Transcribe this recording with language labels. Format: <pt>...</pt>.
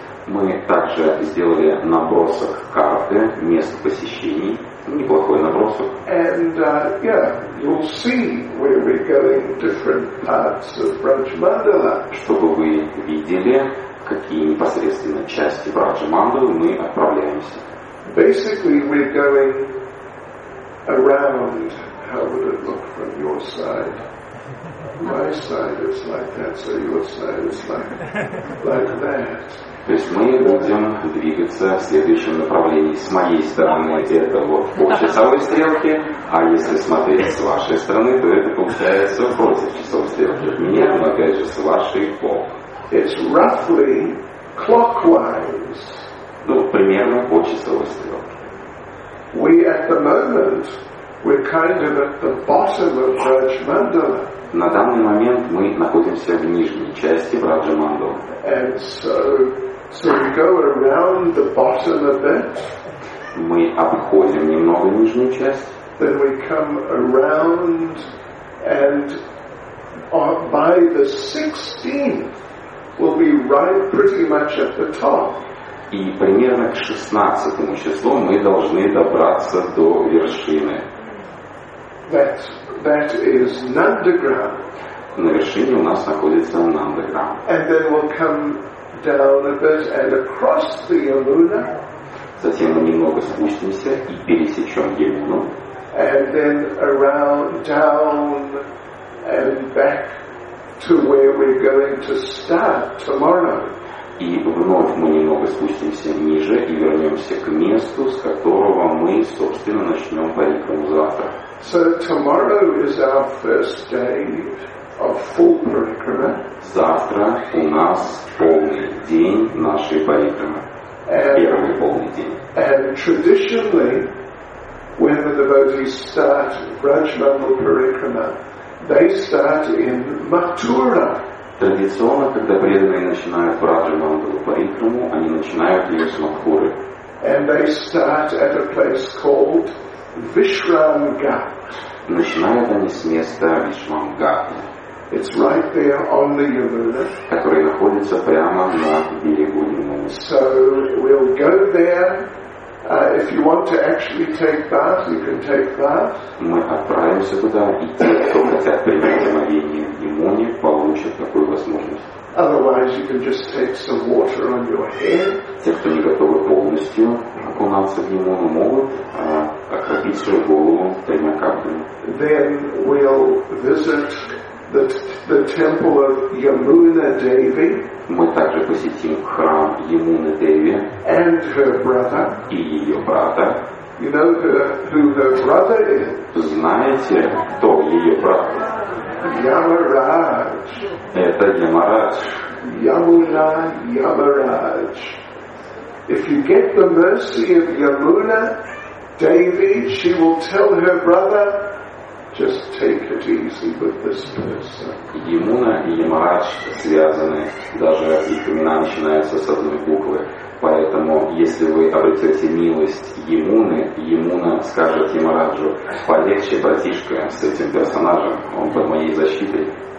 <ru>Мы также сделали набросок карты мест посещений, неплохой набросок.</ru> <en>And you'll see where we're going different parts of Rajmandala.</en> <ru>Чтобы вы видели, какие непосредственно части Раджамандалы мы отправляемся.</ru> <en>Basically, we're going around. How would it look from your side? My side is like that, so your side is like that.</en> <ru>То есть мы будем двигаться в следующем направлении. С моей стороны это вот по часовой стрелке, а если смотреть с вашей стороны, то это получается против часовой стрелки. От меня, но опять же с вашей по.</ru> <en>It's roughly clockwise.</en> <ru>Ну, примерно по часовой стрелке.</ru> <en>We at the moment, we're kind of at the bottom of Raj Mandala.</en> <ru>На данный момент мы находимся в нижней части Раджа Мандалы.</ru> <en>And so we go around the bottom of it.</en> <ru>Мы обходим немного нижнюю часть.</ru> <en>Then we come around and by the 16th we'll be right pretty much at the top.</en> <ru>И примерно к 16-му числу мы должны добраться до вершины.</ru> <en>That is Nandagram.</en> <ru>На вершине у нас находится Нандаграм.</ru> <en>And then we'll come down a bit and across the Yamuna.</en> <ru>Затем мы немного спустимся и пересечем Ямуну.</ru> <en>And then around down and back to where we're going to start tomorrow.</en> <ru>И вновь мы немного спустимся ниже и вернемся к месту, с которого мы, собственно, начнем парикраму завтра.</ru> <en>So tomorrow is our first day of full parikrama.</en> <ru>Завтра у нас полный день нашей парикрамы. Первый полный день.</ru> <en>And traditionally, when the devotees start Rajmandala parikrama, they start in Mathura.</en> <ru>Традиционно, когда преданные начинают Раджа-мандалу парикраму, они начинают ее с Матхуры.</ru> <en>And they start at a place called Vishramgat.</en> <ru>Начинают они с места Вишрамгат.</ru> <en>It's right there on the Yamuna.</en> <ru>Которое находится прямо на берегу Ямуны.</ru> <en>So we'll go there. If you want to actually take bath, you can take bath.</en> <ru>Мы отправимся туда, и те, кто хотят принять омовение в Ямуне, получат такую возможность.</ru> <en>Otherwise, you can just take some water on your head.</en> <ru>Те, кто не готовы полностью окунаться в Ямуну, могут окропить свою голову тремя каплями.</ru> <en>Then we'll visit the temple of Yamuna Devi.</en> <ru>Мы также посетим храм Ямуны Деви.</ru> <en>And her brother.</en> <ru>И ее брата.</ru> <en>You know who her brother is?</en> <ru>Знаете, кто ее брат? Ямарадж. Это Ямарадж. Ямуна Ямарадж.</ru> <en>If you get the mercy of Yamuna Devi, she will tell her brother, just take it easy with this person.</en> <ru>Ямуна и Ямарадж связаны, даже их имена начинаются с одной буквы. Поэтому, если вы обретете милость Ямуны, Ямуна скажет Ямараджу, полегче, братишка, с этим персонажем, он под моей защитой.</ru>